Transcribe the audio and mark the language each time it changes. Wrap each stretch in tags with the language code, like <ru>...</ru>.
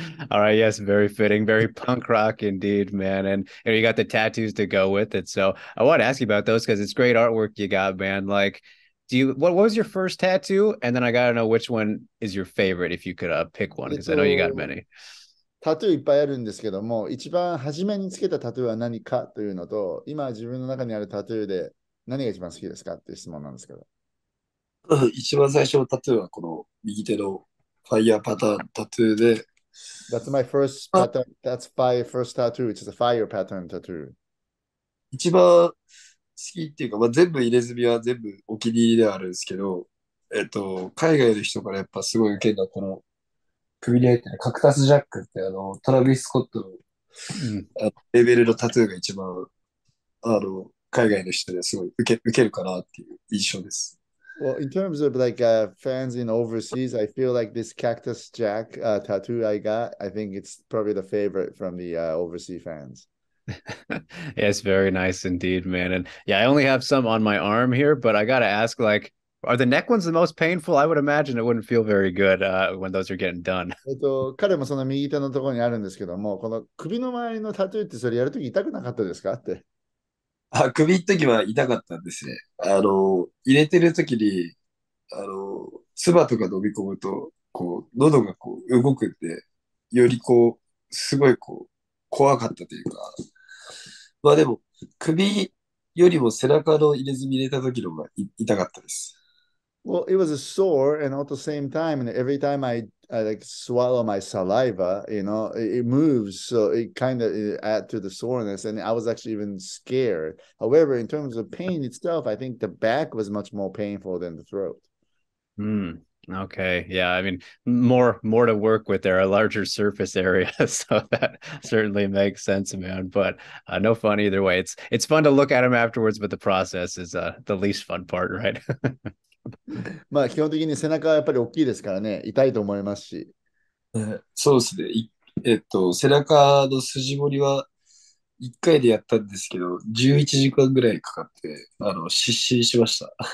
<en>All right, yes, very fitting, very punk rock indeed, man. And you know, you got the tattoos to go with it. So I want to ask you about those because it's great artwork you got, man. Like, what was your first tattoo? And then I got to know which one is your favorite, if you could pick one, because I know you got many.</en> <ja>タトゥーいっぱいあるんですけども、一番初めにつけたタトゥーは何かというのと、今自分の中にあるタトゥーで何が一番好きですかという質問なんですけど。一番最初のタトゥーはこの右手のファイヤーパターンタトゥーで。</ja> <en>That's my first pattern. That's my first tattoo. It's a fire pattern tattoo.</en> <ja>一番好きっていうか、まあ、全部入れ墨は全部お気に入りではあるんですけど、海外の人からやっぱすごい受けるのはこの首に入ってるカクタスジャックってあのトラビス・スコット の,、うん、あのレベルのタトゥーが一番あの海外の人ですごい受けるかなっていう印象です。</ja> <en>Well, in terms of like fans in overseas, I feel like this Cactus Jack tattoo I got, I think it's probably the favorite from the overseas fans. Yes, very nice indeed, man. And yeah, I only have some on my arm here, but I gotta ask, like,Are the neck ones the most painful? I would imagine it wouldn't feel very good when those are getting done.</en> <ja>彼もその右手のところにあるんですけども、この首の周りのタトゥーってそれやるとき痛くなかったですかって。あ、首のときは痛かったんですね。あの、入れてるときに、あの、唾とか飲み込むと、こう、喉がこう動くんで、よりこう、すごいこう、怖かったというか。まあでも、首、よりも背中の入れ墨入れた時の方が痛かったです。</ja> <en>Well, it was a sore, and at the same time, and every time I like swallow my saliva, you know, it moves, so it kind of add to the soreness, and I was actually even scared. However, in terms of pain itself, I think the back was much more painful than the throat. Hmm. Okay. Yeah. I mean, more to work with there, a larger surface area. So that certainly makes sense, man. But no fun either way. It's fun to look at them afterwards, but the process is the least fun part, right?</en> <ja>まあ基本的に背中はやっぱり大きいですからね、痛いと思いますし。そうですね。背中の筋彫りは一回でやったんですけど、11時間ぐらいかかってあの失神しました。</ja>